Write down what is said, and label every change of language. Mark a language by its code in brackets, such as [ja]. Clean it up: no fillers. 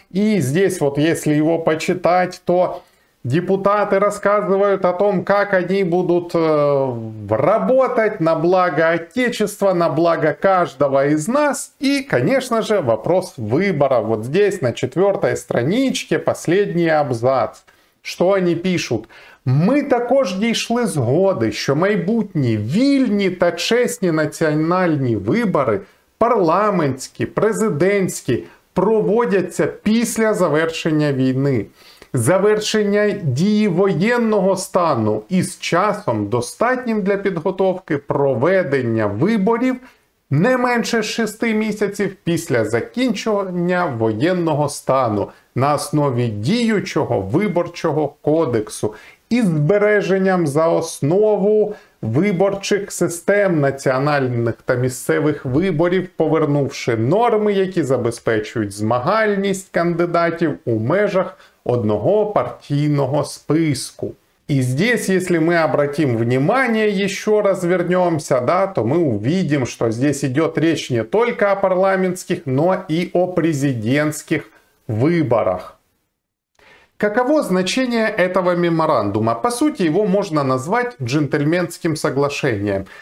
[ru] И здесь вот, если его почитать, то депутаты рассказывают о том, как они будут работать на благо Отечества, на благо каждого из нас. И, конечно же, вопрос выбора. Вот здесь на четвертой страничке последний абзац. Что они пишут? [uk] «Мы також дійшли згоди, що майбутні вільні та чесні національні вибори, парламентські, президентські, проводяться після завершення війни, завершення дії воєнного стану і з часом, достатнім для підготовки проведення виборів, не менше 6 місяців після закінчення воєнного стану на основі діючого виборчого кодексу і збереженням за основу виборчих систем національних та місцевих виборів, повернувши норми, які забезпечують змагальність кандидатів у межах одного партійного списку». [ru] И здесь, если мы обратим внимание, еще раз вернемся, да, то мы увидим, что здесь идет речь не только о парламентских, но и о президентских выборах. Каково значение этого меморандума? По сути, его можно назвать джентльменским соглашением.